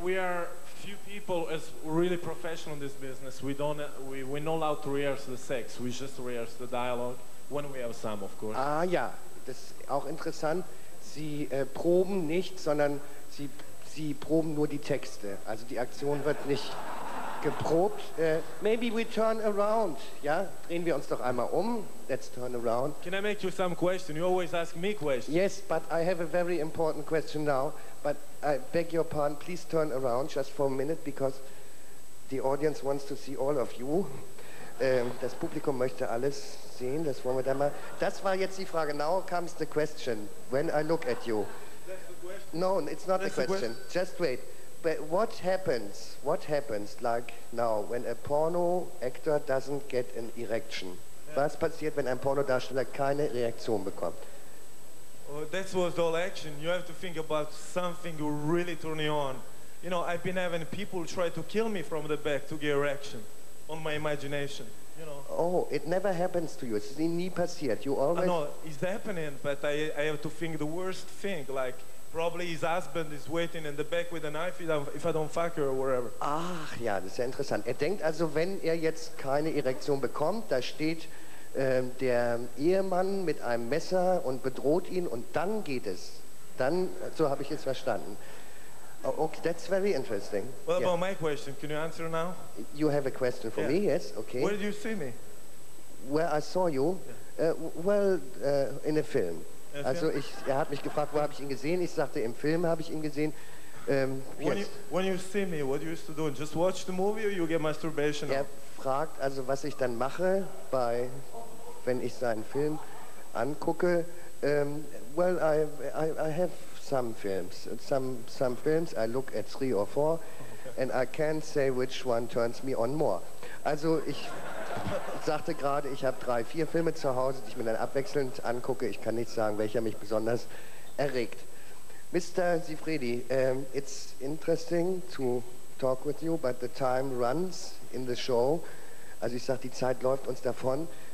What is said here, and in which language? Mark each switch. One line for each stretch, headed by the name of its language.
English: We are few people as really professional in this business. We're not allowed to rehearse the sex, we just rehearse the dialogue when we have some, of course.
German: Ah ja, das ist auch interessant. Sie proben nicht, sondern Sie proben nur die Texte, also die Aktion wird nicht geprobt.
English: Maybe we turn around, ja?
German: Drehen wir uns doch einmal um.
English: Let's turn around. Can I make you some question? You always ask me questions. Yes, but I have a very important question now. But I beg your pardon, please turn around just for a minute, because the audience wants to see all of you.
German: Das Publikum möchte alles sehen, das wollen wir dann mal. Das war jetzt die Frage.
English: Now comes the question, when I look at you. No, it's not That's a question. Just wait. But what happens? What happens like now when a porno actor doesn't get an erection? Yeah.
German: Was passiert, wenn ein Pornodarsteller keine Reaktion bekommt?
English: Well, that was all action. You have to think about something really turning on. You know, I've been having people try to kill me from the back to get erection on my imagination. You know. Oh, it never happens to you. It's
German: nie passiert.
English: You always. No, it's happening, but I have to think the worst thing, like. Probably his husband is waiting in the back with a knife if I don't fuck her or whatever.
German: Ach ja, das ist ja interessant. Er denkt also, wenn er jetzt keine Erektion bekommt, da steht der Ehemann mit einem Messer und bedroht ihn und dann geht es. Dann, so habe ich es verstanden.
English: Oh, okay, that's very interesting. What about my question? Can you answer now? You have a question for me, yes, okay. Where did you see me? Where I saw you? Yeah. Well, in a film.
German: Also er hat mich gefragt, wo habe ich ihn gesehen? Ich sagte, im Film habe ich ihn gesehen.
English: When you see me, what you used to do? Just watch the movie or you get masturbation?
German: Er fragt also, was ich dann mache, wenn ich seinen Film angucke.
English: Well, I have some films. Some films, I look at three or four. Okay. And I can't say which one turns me on more.
German: Also ich sagte gerade, ich habe drei, vier Filme zu Hause, die ich mir dann abwechselnd angucke. Ich kann nicht sagen, welcher mich besonders erregt.
English: Mr. Sifridi, it's interesting to talk with you, but the time runs in the show.
German: Also ich sage, die Zeit läuft uns davon.